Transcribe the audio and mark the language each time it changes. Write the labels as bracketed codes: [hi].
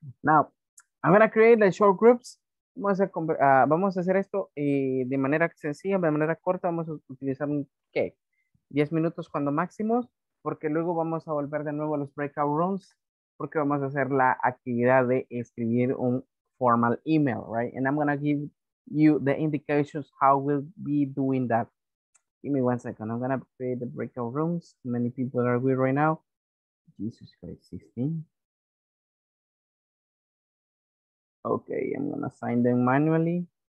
[en] Now, I'm going to create the short groups. [es] Vamos a hacer esto de manera sencilla, de manera corta. Vamos a utilizar, 10 minutos cuando máximo, porque luego vamos a volver de nuevo a los breakout rooms, porque vamos a hacer la actividad de escribir un [en] formal email, right? And I'm going to give you the indications how we'll be doing that. Give me 1 second. I'm gonna create the breakout rooms. How many people are we right now? Jesus Christ, 16. Okay, I'm gonna sign them manually.